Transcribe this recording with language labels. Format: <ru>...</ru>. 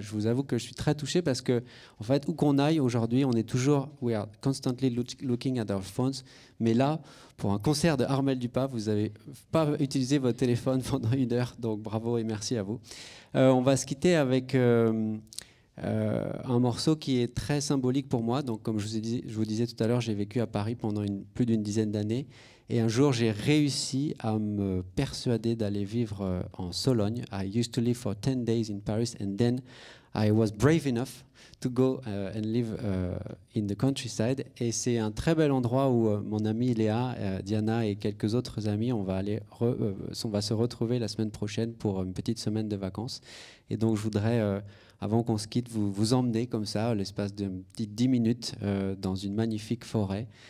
<fr>Je vous avoue que je suis très touché parce que, en fait, où qu'on aille aujourd'hui, on est toujours,</fr> <en>we are constantly looking at our phones,</en> <fr>mais là, pour un concert de Armel Dupas, vous n'avez pas utilisé votre téléphone pendant 1 heure, donc bravo et merci à vous. On va se quitter avec un morceau qui est très symbolique pour moi. Donc, comme je vous disais tout à l'heure, j'ai vécu à Paris pendant plus d'une dizaine d'années. Et un jour, j'ai réussi à me persuader d'aller vivre en Sologne.</fr> <en>I used to live for 10 days in Paris, and then I was brave enough to go and live in the countryside.</en> <fr>Et c'est un très bel endroit où mon amie Léa, Diana et quelques autres amis, on va se retrouver la semaine prochaine pour une petite semaine de vacances. Et donc, je voudrais, avant qu'on se quitte, vous emmener comme ça, l'espace de 10 minutes, dans une magnifique forêt.</fr>